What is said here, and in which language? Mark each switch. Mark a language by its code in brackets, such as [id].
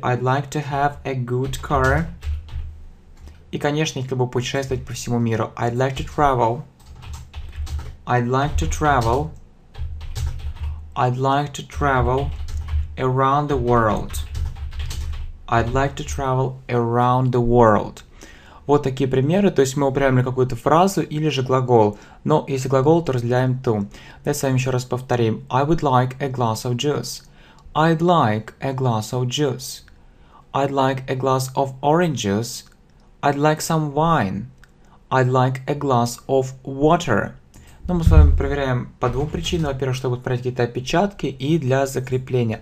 [en] I'd like to have a good car. [ru] И, конечно, я хотел бы путешествовать по всему миру. [en] I'd like to travel. I'd like to travel. I'd like to travel around the world. I'd like to travel around the world. [ru] Вот такие примеры. То есть мы употребляем какую-то фразу или же глагол. Но если глагол, то разделяем to. Давайте с вами еще раз повторим. [en] I would like a glass of juice. I'd like a glass of juice. I'd like a glass of orange juice. I'd like some wine. I'd like a glass of water. [ru] Ну, мы с вами проверяем по двум причинам. Во-первых, чтобы отправить какие-то опечатки и для закрепления.